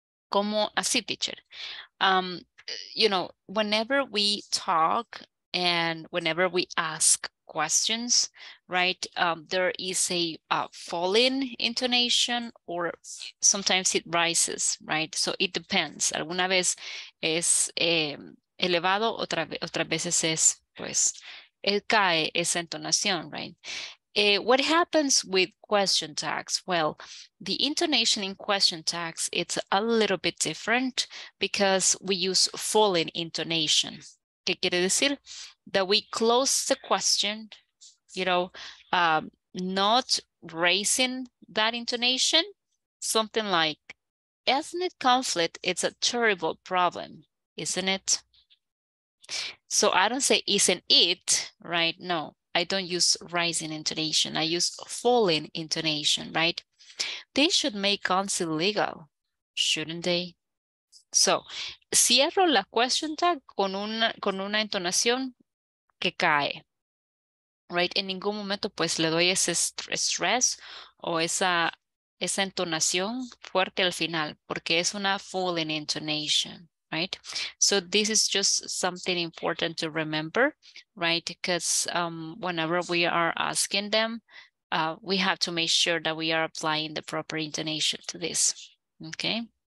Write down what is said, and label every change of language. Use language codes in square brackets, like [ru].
[es] Como así, [en] teacher. You know, whenever we talk and whenever we ask questions, right? There is a falling intonation, or sometimes it rises, right? So it depends. [es] Alguna vez es elevado, otras veces es, pues, el cae esa entonación, right? [en] What happens with question tags? Well, the intonation in question tags, it's a little bit different because we use falling intonation. [es] ¿Qué quiere decir? [en] That we close the question, you know, not raising that intonation, something like ethnic conflict, it's a terrible problem, isn't it? So I don't say isn't it, right? No, I don't use rising intonation. I use falling intonation, right? They should make counsel legal, shouldn't they? [es] So, cierro la question tag con una entonación que cae, right? En ningún momento pues le doy ese stress o esa entonación fuerte al final, porque es una [en] falling intonation, [es] right? [en] So this is just something important to remember, right? Because whenever we are asking them, we have to make sure that we are applying the proper intonation to this, okay?